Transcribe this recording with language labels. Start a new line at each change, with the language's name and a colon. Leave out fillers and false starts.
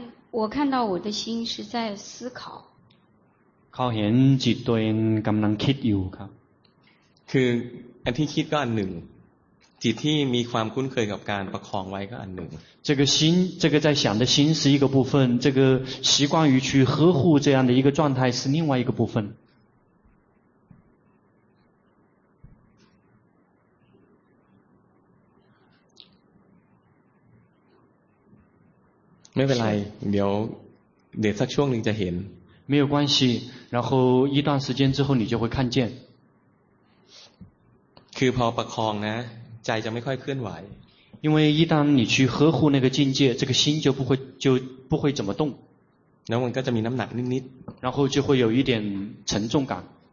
Chinese: 我看到我的心是在思考。考验几多人刚能 keep 有卡？
Thai: คืออันที่คิดก็อันหนึ่งจิตที่มีความคุ้นเคยกับการประคองไว้ก็อันหนึ่ง
Chinese: 这个心这个在想的心是一个部分这个习惯于去呵护这样的一个状态是另外一个部分
Thai: ไม่เป็นไรเดี๋ยวสักช่วงนึงจะเห็น
Chinese: 没有关系然后一段时间之后你就会看见
Thai: คือพอประคองนะใจจะไม่ค่อยเคลื่อนไหว
Chinese: 因为一旦你去呵护那个境界这个心就不会怎么动
Thai: แล้วมันก็จะมีน้ำหนักนิด
Chinese: ๆ然后就会有一点沉重感